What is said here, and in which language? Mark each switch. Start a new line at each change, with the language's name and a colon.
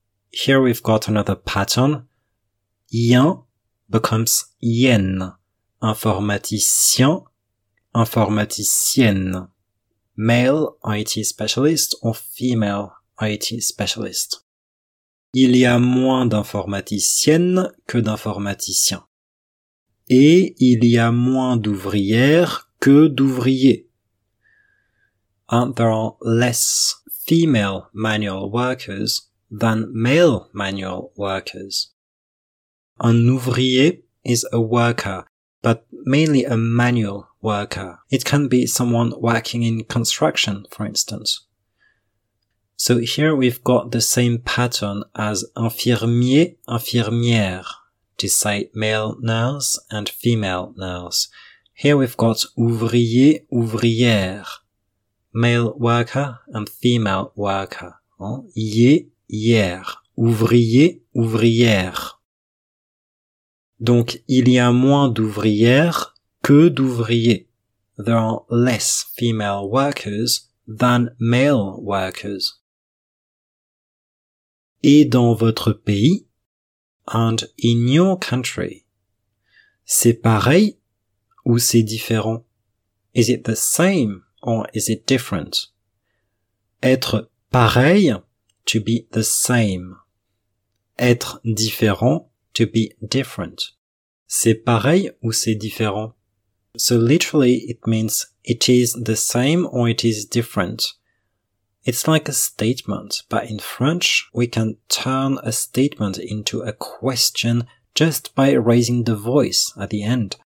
English: Here we've got another pattern. Yen becomes yen.
French: Informaticien, informaticienne.
English: Male IT specialist or female IT specialist.
French: Il y a moins d'informaticiennes que d'informaticiens. Et il y a moins d'ouvrières que d'ouvriers.
English: And there are less female manual workers than male manual workers. Un ouvrier is a worker, but mainly a manual worker. It can be someone working in construction, for instance. So here we've got the same pattern as
French: infirmier, infirmière,
English: to say male nurse and female nurse. Here we've got
French: ouvrier, ouvrière,
English: male worker and female worker.
French: Hier, ouvrier, ouvrière. Donc, il y a moins d'ouvrières que d'ouvriers.
English: There are less female workers than male workers.
French: Et dans votre pays,
English: and in your country,
French: c'est pareil ou c'est différent?
English: Is it the same or is it different?
French: Être pareil,
English: to be the same.
French: Être différent,
English: to be different.
French: C'est pareil ou c'est différent?
English: So literally it means it is the same or it is different. It's like a statement, but in French we can turn a statement into a question just by raising the voice at the end.